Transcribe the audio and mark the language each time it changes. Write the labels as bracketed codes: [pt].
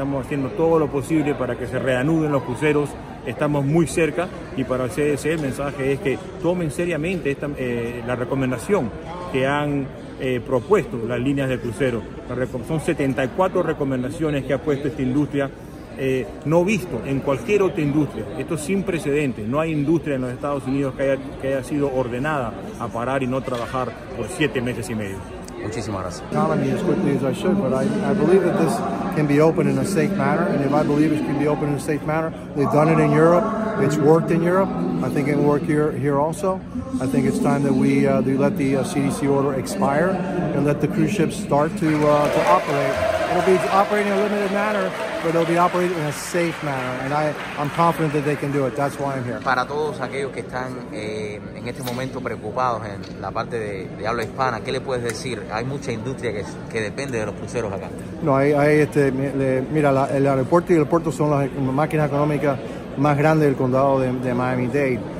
[es] Estamos haciendo todo lo posible para que se reanuden los cruceros. Estamos muy cerca, y para el CDC el mensaje es que tomen seriamente la recomendación que han propuesto las líneas de crucero. Son 74 recomendaciones que ha puesto esta industria, no visto en cualquier otra industria. Esto es sin precedente. No hay industria en los Estados Unidos que haya sido ordenada a parar y no trabajar por 7 meses y medio. Muchísimas gracias. [en] The economy as quickly as I should, but I believe that this can be opened in a safe manner. And if I believe it can be opened in a safe manner, they've done it in Europe. It's worked in Europe. I think it will work here also. I think it's time that we let the CDC order expire and let the cruise ships start to operate. It'll be operating in a limited manner, but it'll be operating in a safe manner. And I'm confident that they can do it. That's why I'm here. [es] Para todos aquellos que están en este momento preocupados en la parte de habla hispana, ¿qué le puedes decir? Hay mucha industria que depende de los cruceros acá. No, el aeropuerto y el puerto son las máquinas económicas más grandes del condado de Miami-Dade.